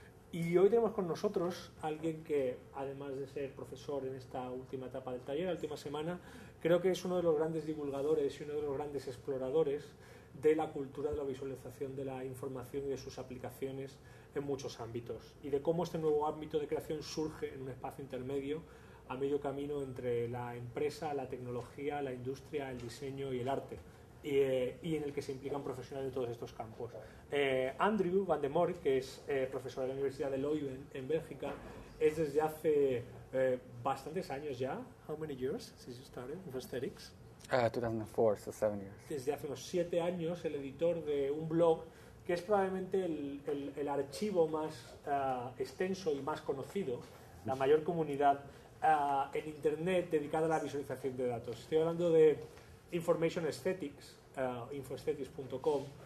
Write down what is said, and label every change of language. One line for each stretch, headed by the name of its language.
Spanish: Y hoy tenemos con nosotros a alguien que, además de ser profesor en esta última etapa del taller, la última semana, creo que es uno de los grandes divulgadores y uno de los grandes exploradores de la cultura de la visualización de la información y de sus aplicaciones en muchos ámbitos, y de cómo este nuevo ámbito de creación surge en un espacio intermedio, a medio camino entre la empresa, la tecnología, la industria, el diseño y el arte, y en el que se implican profesionales de todos estos campos. Andrew Vande Moere, que es profesor de la Universidad de Leuven en Bélgica, es desde hace bastantes años ya.
English: How many years since you started with aesthetics? 2004, so 7 years.
Spanish: Desde hace unos 7 años, el editor de un blog que es probablemente el archivo más extenso y más conocido, la mayor comunidad en internet dedicada a la visualización de datos. Estoy hablando de Information Aesthetics, infoaesthetics.com.